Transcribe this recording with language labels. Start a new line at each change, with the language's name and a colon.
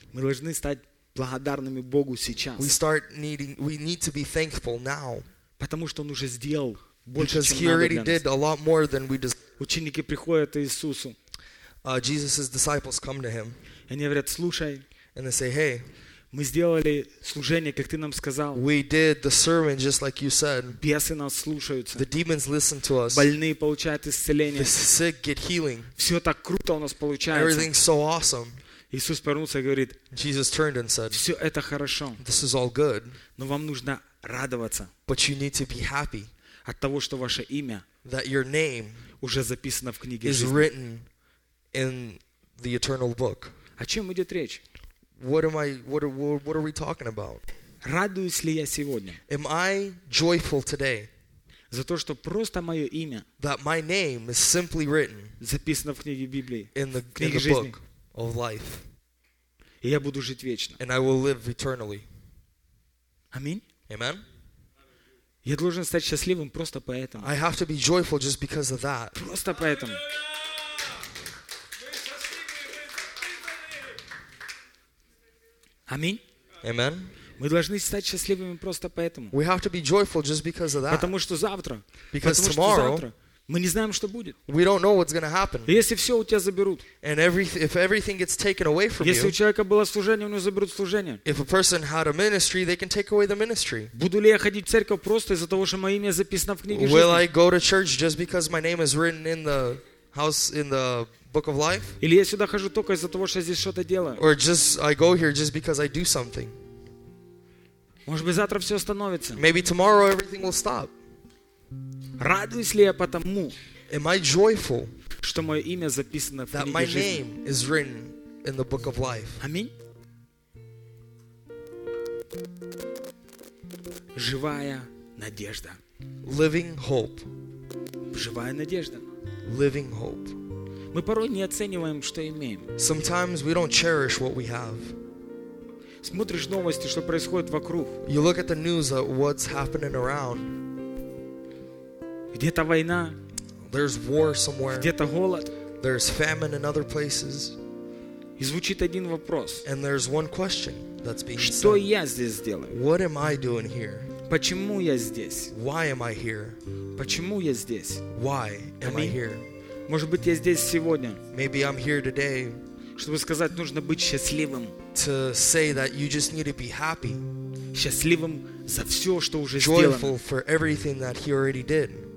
Russian: Мы должны стать благодарными Богу сейчас.
English: We need to be thankful now.
Russian: Потому что он уже сделал больше,
English: because
Russian: чем
English: he already did a lot more than we deserve.
Russian: Ученики приходят к Иисусу.
English: Jesus' disciples come to him.
Russian: Они говорят, слушай.
English: And they say, hey.
Russian: Мы сделали служение, как ты нам сказал.
English: We did the sermon just like you said.
Russian: Бесы нас слушаются.
English: The demons listen to us.
Russian: Больные получают исцеление.
English: The sick get healing.
Russian: Все так круто у нас получается.
English: Everything's so awesome.
Russian: Иисус повернулся и говорит,
English: Jesus turned and said,
Russian: все это хорошо.
English: This is all good.
Russian: Но вам нужно радоваться.
English: But you need to be happy.
Russian: От того, что ваше имя,
English: that your name,
Russian: уже записано в книге жизни.
English: Is written in the eternal book.
Russian: О чем идет речь?
English: What are we talking about?
Russian: Радуюсь ли я сегодня?
English: Am I joyful today?
Russian: За то, что просто мое имя,
English: that my name is simply written,
Russian: записано в книге Библии,
English: in the, книге in the book of life.
Russian: И я буду жить вечно.
English: And I will live eternally.
Russian: Аминь.
English: Amen.
Russian: Я должен стать счастливым просто поэтому.
English: I have to be joyful just because of that.
Russian: Просто поэтому. Аминь.
English: Amen.
Russian: Мы должны стать счастливыми просто поэтому.
English: We have to be joyful just because of that.
Russian: Потому что завтра.
English: Because
Russian: потому
English: tomorrow.
Russian: Что завтра, мы не знаем, что будет.
English: We don't know what's going to happen.
Russian: И если все у тебя заберут.
English: And if everything gets taken away from you.
Russian: Если у человека было служение, у него заберут служение.
English: If a person had a ministry, they can take away the ministry.
Russian: Буду ли я ходить в церковь просто из-за того, что мое имя записано в книге жизни?
English: Will I go to church just because my name is written in the house in the book of life?
Russian: Или я сюда хожу только из-за того, что я здесь что-то делаю?
English: Or just I go here just because I do something?
Russian: Может быть, завтра все остановится?
English: Maybe tomorrow everything will stop.
Russian: Радуюсь ли я потому?
English: Am I joyful?
Russian: Что мое имя записано в книге жизни?
English: That my name is written in the book of life.
Russian: Аминь. Живая надежда.
English: Living hope.
Russian: Живая надежда.
English: Living hope.
Russian: Мы порой не оцениваем, что имеем.
English: Sometimes we don't cherish what we have.
Russian: Смотришь новости, что происходит вокруг.
English: You look at the news of what's happening around.
Russian: Где-то война.
English: There's war somewhere.
Russian: Где-то голод.
English: There's famine in other places.
Russian: И звучит один вопрос.
English: And there's one question that's being
Russian: что
English: said.
Russian: Что я здесь делаю?
English: What am I doing here?
Russian: Почему я здесь?
English: Why am I here?
Russian: Почему я здесь?
English: Why am I here?
Russian: Может быть, я здесь сегодня.
English: Maybe I'm here today.
Russian: Чтобы сказать, нужно быть счастливым.
English: to say that you just need to be happy.
Russian: Счастливым за всё, что уже сделано.
English: Joyful for everything that he already did.